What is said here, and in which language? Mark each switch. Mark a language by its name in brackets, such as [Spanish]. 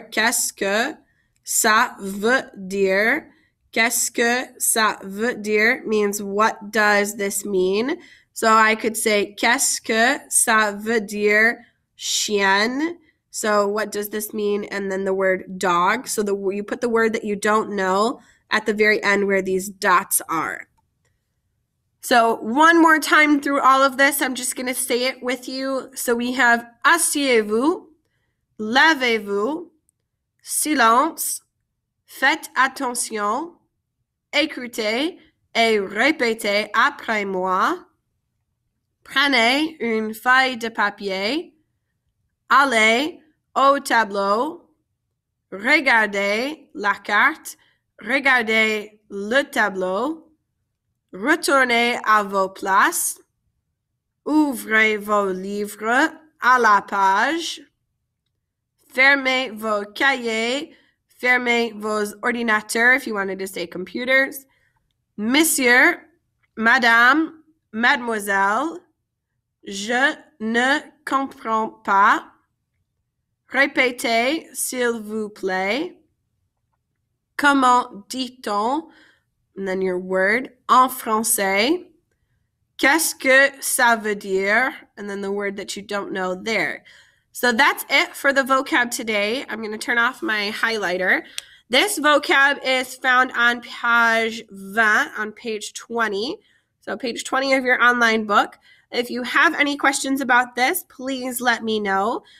[French] Qu'est-ce que ça veut dire? Qu'est-ce que ça veut dire [English] means what does this mean? So, I could say, [French] qu'est-ce que ça veut dire chien? [English] So, what does this mean? And then the word dog. So, you put the word that you don't know at the very end where these dots are. So one more time through all of this, I'm just going to say it with you. So we have [French] asseyez-vous, levez-vous, silence, faites attention, écoutez et répétez après moi, prenez une feuille de papier, allez au tableau, regardez la carte, regardez le tableau, retournez à vos places. Ouvrez vos livres à la page. Fermez vos cahiers. Fermez vos ordinateurs, [English] if you wanted to say computers. [French] Monsieur, madame, mademoiselle, je ne comprends pas. Répétez, s'il vous plaît. Comment dit-on? [English] And then your word, [French] en français, qu'est-ce que ça veut dire? [English] And then the word that you don't know there. So that's it for the vocab today. I'm going to turn off my highlighter. This vocab is found on page 20, on page 20. So page 20 of your online book. If you have any questions about this, please let me know.